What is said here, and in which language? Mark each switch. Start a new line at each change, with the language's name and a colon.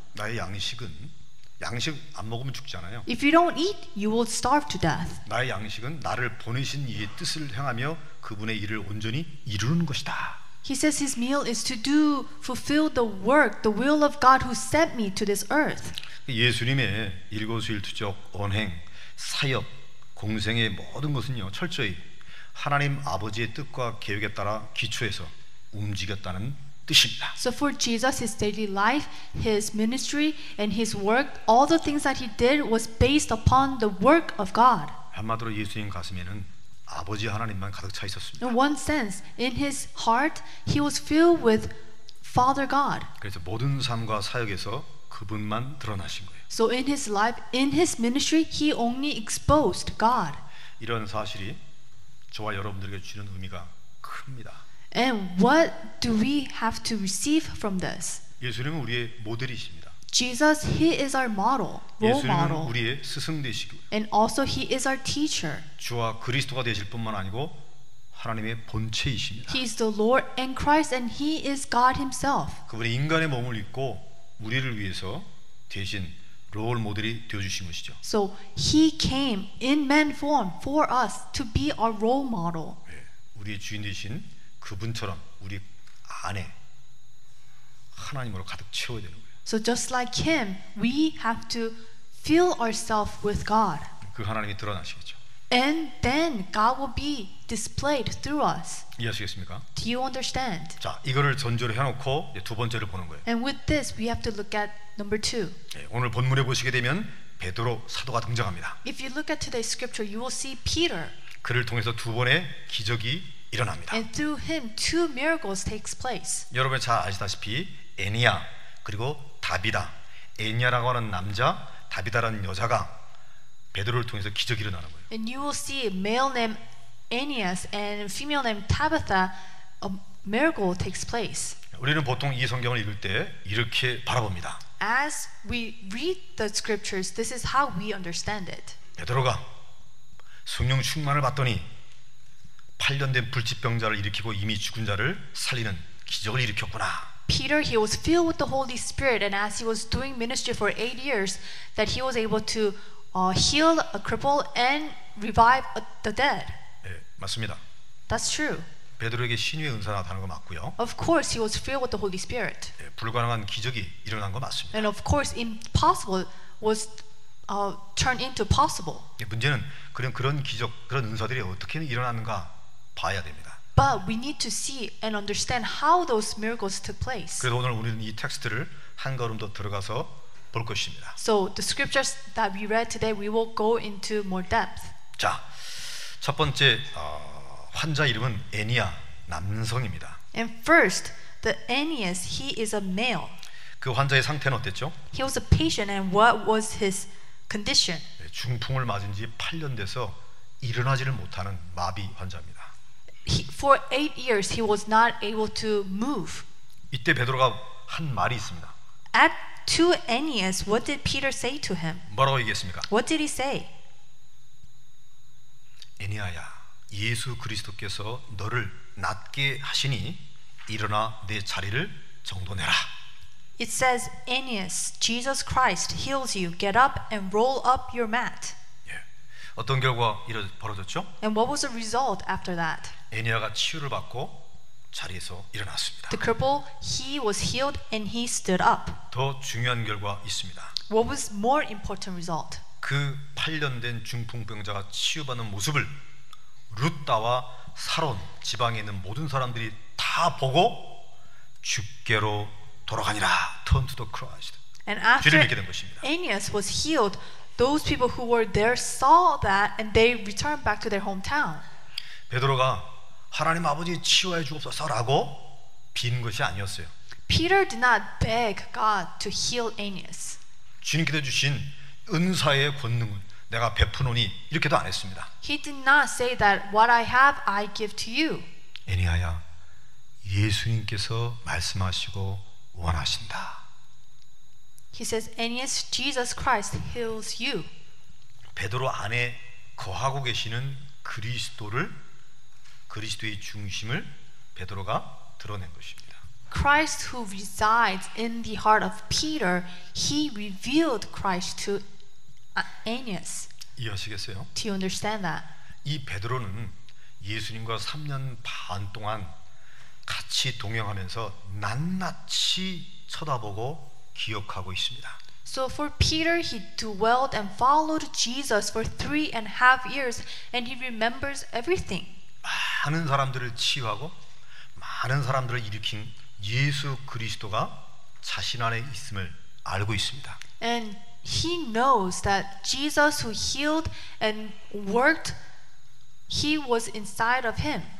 Korean: 나의 양식은 양식 안 먹으면 죽잖아요.
English: If you don't eat, you will starve to death.
Korean: 나의 양식은 나를 보내신 이의 뜻을 행하며 그분의 일을 온전히 이루는 것이다.
English: He says his meal is to do fulfill the work, the will of God who sent me to this earth.
Korean: 예수님의 일거수일투족 언행 사역 공생의 모든 것은요 철저히 하나님 아버지의 뜻과 계획에 따라 기초해서 움직였다는.
English: So for Jesus, his daily life, his ministry, and his work, all the things that he did was based upon the work of God.
Korean: 한마디로 예수님 가슴에는 아버지 하나님만 가득 차 있었습니다.
English: In one sense, in his heart, he was filled with Father God.
Korean: 그래서 모든 삶과 사역에서 그분만 드러나신 거예요.
English: So in his life, in his ministry, he only exposed God.
Korean: 이런 사실이 저와 여러분들에게 주는 의미가 큽니다.
English: And what do we have to receive from this?
Korean: 예수님은 우리의 모델이십니다.
English: Jesus, he is our model, role model.
Korean: 예수님은 우리의 스승 되시고.
English: And also he is our teacher.
Korean: 주와 그리스도가 되실 뿐만 아니고 하나님의 본체이십니다.
English: He is the Lord and Christ and he is God himself.
Korean: 그분이 인간의 몸을 입고 우리를 위해서 대신 롤 모델이 되어 주신 것이죠.
English: So he came in man form for us to be our role model.
Korean: 우리의 주인 되신 그분처럼 우리 안에 하나님으로 가득 채워야 되는 거예요.
English: So just like him, we have to fill ourselves with God.
Korean: 그 하나님이 드러나시겠죠.
English: And then God will be displayed through us.
Korean: 이해하시겠습니까?
English: Do you understand?
Korean: 자, 이거를 전제로 해놓고 이제 두 번째를 보는 거예요.
English: And with this, we have to look at number two.
Korean: 네, 오늘 본문에 보시게 되면 베드로 사도가 등장합니다.
English: If you look at today's scripture, you will see Peter.
Korean: 그를 통해서 두 번의 기적이 일어납니다.
English: And through him, two miracles takes place.
Korean: 여러분 잘 아시다시피 에니아 그리고 다비다, 에니아라고 하는 남자, 다비다라는 여자가 베드로를 통해서 기적이 일어나는 거예요.
English: And you will see a male named Aeneas and a female named Tabitha, a miracle takes place.
Korean: 우리는 보통 이 성경을 읽을 때 이렇게 바라봅니다.
English: As we read the scriptures, this is how we understand it.
Korean: 베드로가 성령 충만을 받더니 8년 된 불치병자를 일으키고 이미 죽은 자를 살리는 기적을 일으켰구나.
English: Peter, he was filled with the Holy Spirit, and as he was doing ministry for 8 years, that he was able to heal a cripple and revive the dead.
Korean: 예, 맞습니다.
English: That's true.
Korean: 베드로에게 신유의 은사가 나타난 거 맞고요.
English: Of course, he was filled with the Holy Spirit.
Korean: 예, 불가능한 기적이 일어난 거 맞습니다.
English: And of course, impossible was turned into possible.
Korean: 예, 문제는 그런 기적, 그런 은사들이 어떻게 일어났는가 봐야 됩니다.
English: But we need to see and understand how those miracles took place.
Korean: 그래서 오늘 우리는 이 텍스트를 한 걸음 더 들어가서 볼 것입니다.
English: So the scriptures that we read today, we will go into more depth.
Korean: 자, 첫 번째 환자 이름은 에니아, 남성입니다.
English: And first, the Aeneas, he is a male.
Korean: 그 환자의 상태는 어땠죠?
English: He was a patient, and what was his condition?
Korean: 네, 중풍을 맞은 지 8년 돼서 일어나지를 못하는 마비 환자입니다.
English: For 8 years, he was not able to move.
Korean: 이때 베드로가 한 말이 있습니다.
English: At to Aeneas, what did Peter say to him?
Korean: 뭐라고 얘기했습니까?
English: What did he say?
Korean: 에니아야, 예수 그리스도께서 너를 낫게 하시니 일어나 내 자리를 정돈해라.
English: It says, Aeneas, Jesus Christ heals you. Get up and roll up your mat.
Korean: 예. 어떤 결과 벌어졌죠?
English: And what was the result after that?
Korean: 에니아가 치유를 받고 자리에서 일어났습니다.
English: The cripple, he was healed and he stood up.
Korean: 더 중요한 결과 있습니다.
English: What was more important result?
Korean: 그 8년 된 중풍병자가 치유받는 모습을 룻다와 사론 지방에 있는 모든 사람들이 다 보고 주께로 돌아가니라.
English: Turn to the Christ. And after Aeneas was healed, those people who were there saw that and they returned back to their hometown.
Korean: 베드로가 하나님 아버지 치유해 주옵소서라고 빈 것이 아니었어요.
English: Peter did not beg God to heal Aeneas.
Korean: 주님께서 주신 은사의 권능을 내가 베푸노니 이렇게도 안 했습니다.
English: He did not say that what I have I give to you.
Korean: 에니아야, 예수님께서 말씀하시고 원하신다.
English: He says Aeneas, Jesus Christ heals you.
Korean: 베드로 안에 거하고 계시는 그리스도를 그리스도의 중심을 베드로가 드러낸 것입니다.
English: Christ who resides in the heart of Peter, he revealed Christ to Aeneas.
Korean: 이해하시겠어요?
English: Do you understand that?
Korean: 이 베드로는 예수님과 3년 반 동안 같이 동행하면서 낱낱이 쳐다보고 기억하고 있습니다.
English: So for Peter, he dwelled and followed Jesus for 3.5 years, and he remembers everything.
Korean: 많은 사람들을 치유하고 많은 사람들을 일으킨 예수 그리스도가 자신 안에 있음을 알고 있습니다.
English: And he knows that Jesus who healed and worked, he was inside of him.